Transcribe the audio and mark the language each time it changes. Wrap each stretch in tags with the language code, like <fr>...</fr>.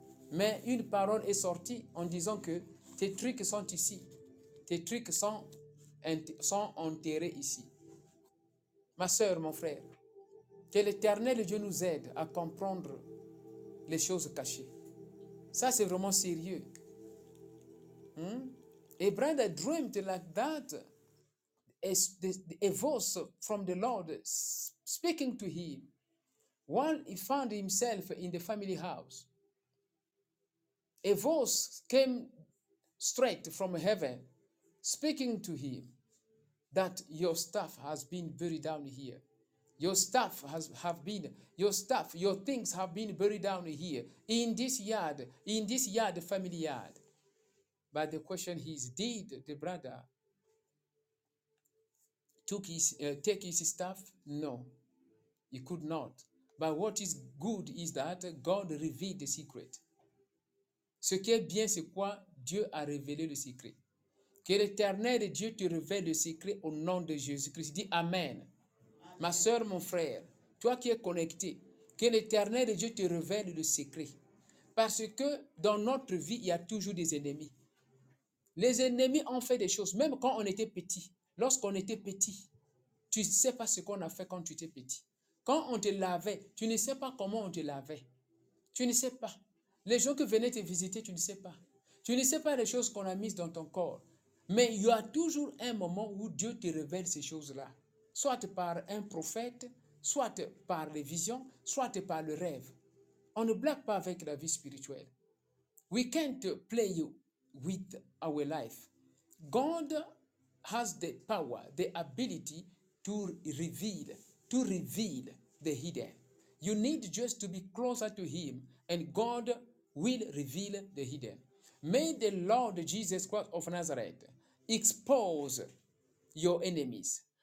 <fr>Mais une parole est sortie en disant que tes trucs sont ici. Tes trucs sont enterrés ici. Ma soeur, mon frère, que l'Éternel Dieu nous aide à comprendre les choses cachées. Ça, c'est vraiment sérieux.</fr> <en>A brother dreamed like that, a voice from the Lord speaking to him while he found himself in the family house. A voice came straight from heaven speaking to him that your stuff has been buried down here. Your things have been buried down here in this yard, family yard. But the question is, did the brother take his stuff? No, he could not. But what is good is that God revealed the secret.</en> <fr>Ce qui est bien, c'est quoi? Dieu a révélé le secret. Que l'Éternel Dieu te révèle le secret au nom de Jésus-Christ. Dis Amen. Ma soeur, mon frère, toi qui es connecté, que l'Éternel Dieu te révèle le secret. Parce que dans notre vie, il y a toujours des ennemis. Les ennemis ont fait des choses, même quand on était petit. Lorsqu'on était petit, tu ne sais pas ce qu'on a fait quand tu étais petit. Quand on te lavait, tu ne sais pas comment on te lavait. Tu ne sais pas. Les gens qui venaient te visiter, tu ne sais pas. Tu ne sais pas les choses qu'on a mises dans ton corps. Mais il y a toujours un moment où Dieu te révèle ces choses-là. Soit par un prophète, soit par les visions, soit par le rêve. On ne blague pas avec la vie spirituelle.</fr> <en>We can't play you with our life. God has the power, the ability to reveal the hidden. You need just to be closer to him and God will reveal the hidden. May the Lord Jesus Christ of Nazareth expose your enemies.</en>